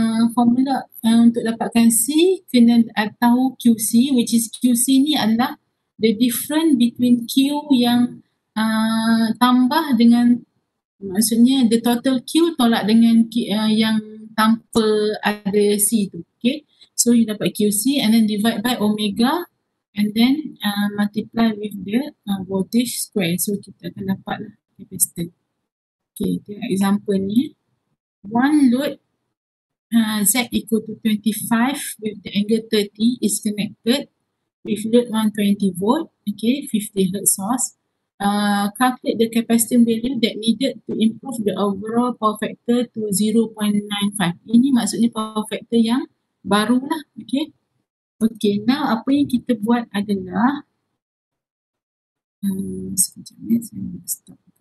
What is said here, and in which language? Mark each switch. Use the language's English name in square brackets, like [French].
[Malay] Formula untuk dapatkan C kena atau QC, [English] which is [Malay] QC ni adalah [English] the difference between [Malay] Q yang tambah dengan, maksudnya [English] the total [Malay] Q tolak dengan yang tanpa ada C tu. Okay. [English] So you [Malay] dapat [English] QC and then divide by omega and then multiply with the voltage square. [Malay] So kita akan dapat lah capacitor. Okay, tengok example ni. [English] One load Z equal to 25 with the angle 30 is connected with load 120 volt, okay, 50 hertz source. Calculate the capacitance value that needed to improve the overall power factor to 0.95. [Malay] Ini maksudnya power factor yang barulah, okay. [English] Okay, now [Malay] apa yang kita buat adalah sekejap ni saya stop.